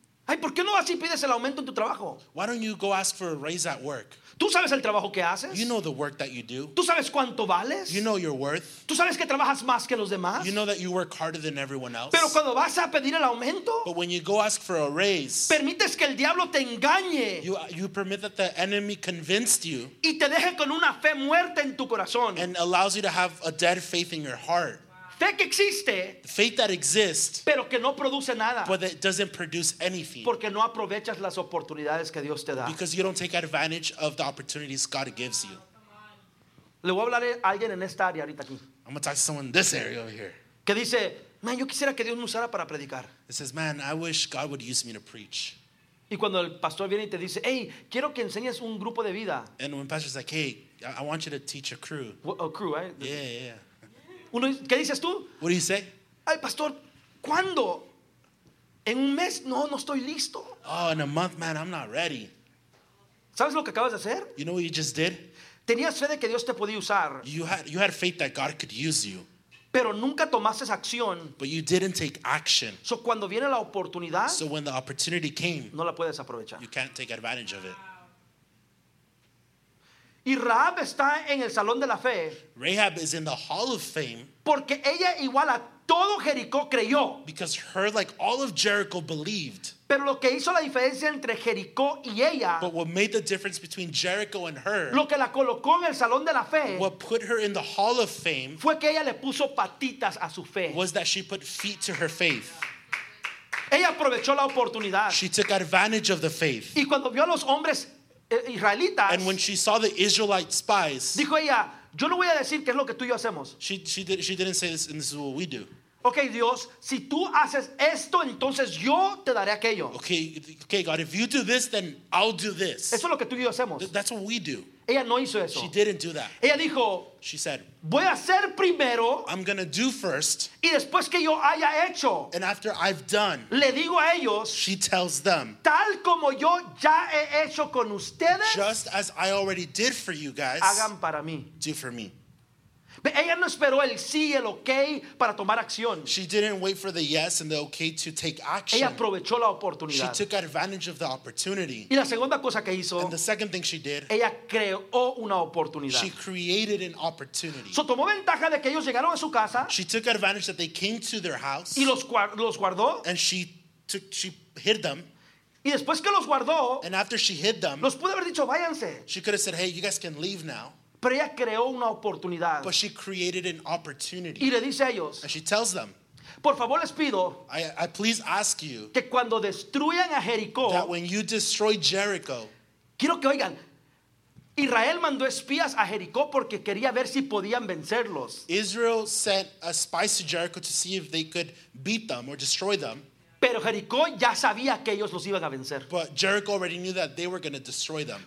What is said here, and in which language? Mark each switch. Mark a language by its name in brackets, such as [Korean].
[Spanish] Ay, ¿por qué no así pides el aumento en tu trabajo? [English] Why don't you go ask for a raise at work? [Spanish] ¿Tú sabes el trabajo que haces? [English] You know the work that you do. [Spanish] ¿Tú sabes cuánto vales? [English] You know your worth. [Spanish] ¿Tú sabes que trabajas más que los demás? [English] You know that you work harder than everyone else. [Spanish] ¿Pero cuando vas a pedir el aumento? [English] But when you go ask for a raise, [Spanish] permites que el diablo te engañe. [English] You permit that the enemy convinced you. [Spanish] Y te deje con una fe muerta en tu corazón. [English] And allows you to have a dead faith in your heart. [Spanish] Fe que existe, [English] faith that exists, [Spanish] pero que no produce nada, [English] but that doesn't produce anything, [Spanish] porque no aprovechas las oportunidades que Dios te da, [English] because you don't take advantage of the opportunities God gives you. [Spanish] Le voy a hablar a alguien en esta área ahorita aquí. [English] I'm going to talk to someone in this area over here. [Spanish] Que dice, man, yo quisiera que Dios me usara para predicar. [English] It says, man, I wish God would use me to preach. [Spanish] Y cuando el pastor viene y te dice, hey, quiero que enseñes un grupo de vida. [English] And when pastor's like, hey, I want you to teach a crew. A crew, right? Yeah, yeah, yeah. [Spanish] ¿Qué dices tú? [English] What do you say? [Spanish] Ay, pastor, ¿cuándo? ¿En un mes? No, no estoy listo. [English] Oh, in a month, man, I'm not ready. [Spanish] ¿Sabes lo que acabas de hacer? [English] You know what you just did? [Spanish] Tenías fe de que Dios te podía usar. [English] You had faith that God could use you. [Spanish] Pero nunca tomaste acción. [English] But you didn't take action. [Spanish] So cuando viene la oportunidad, [English] so when the opportunity came, [Spanish] no la puedes aprovechar. [English] You can't take advantage of it. [Spanish] Y Rahab está en el salón de la fe. [English] Rahab is in the hall of fame. [Spanish] Porque ella igual a todo Jericó creyó. [English] Because her, like all of Jericho, believed. [Spanish] Pero lo que hizo la diferencia entre Jericó y ella. [English] But what made the difference between Jericho and her. [Spanish] Lo que la colocó en el salón de la fe. [English] What put her in the hall of fame. [Spanish] Fue que ella le puso patitas a su fe. [English] Was that she put feet to her faith. [Spanish] Ella aprovechó la oportunidad. [English] She took advantage of the faith. [Spanish] Y cuando vio a los hombres israelitas, [English] and when she saw the Israelite spies, [Spanish] dijo ella, yo no voy a decir qué es lo que tú y yo hacemos. [English] She didn't say this, and this is what we do. [Spanish] Okay, Dios, si tú haces esto, entonces yo te daré aquello. [English] Okay, God, if you do this, then I'll do this. [Spanish] Eso es lo que tú y yo hacemos. [English] That's what we do. [Spanish] Ella no hizo eso. [English] She didn't do that. [Spanish] Ella dijo, [English] she said, [Spanish] voy a hacer primero, [English] I'm going to do first. [Spanish] Y después que yo haya hecho, [English] and after I've done, [Spanish] le digo a ellos, [English] she tells them, [Spanish] tal como yo ya he hecho con ustedes, [English] just as I already did for you guys, [Spanish] hagan para mí. [English] Do for me. [Spanish] Ella no esperó el sí y el okay para tomar acción. [English] She didn't wait for the yes and the okay to take action. [Spanish] Ella aprovechó la oportunidad. [English] She took advantage of the opportunity. [Spanish] Y la segunda cosa que hizo, [English] and the second thing she did, [Spanish] ella creó una oportunidad. [English] She created an opportunity. [Spanish] So tomó ventaja de que ellos llegaron a su casa. [English] She took advantage that they came to their house. [Spanish] Y los guardó. [English] And she hid them. [Spanish] Y después que los guardó, [English] and after she hid them, [Spanish] los pudo haber dicho, váyanse. [English] She could have said, hey, you guys can leave now. [Spanish] Pero ella creó una oportunidad. [English] But she created an opportunity. [Spanish] Y le dice a ellos, [English] and she tells them, [Spanish] por favor les pido, [English] I please ask you, [Spanish] que cuando destruyan a Jericó, [English] that when you destroy Jericho, [Spanish] quiero que oigan, Israel mandó espías a Jericó porque quería ver si podían vencerlos. [English] Israel sent a spies to Jericho to see if they could beat them or destroy them. [Spanish] Pero Jericó ya sabía que ellos los iban a vencer. [English] But Jericho already knew that they were going to destroy them.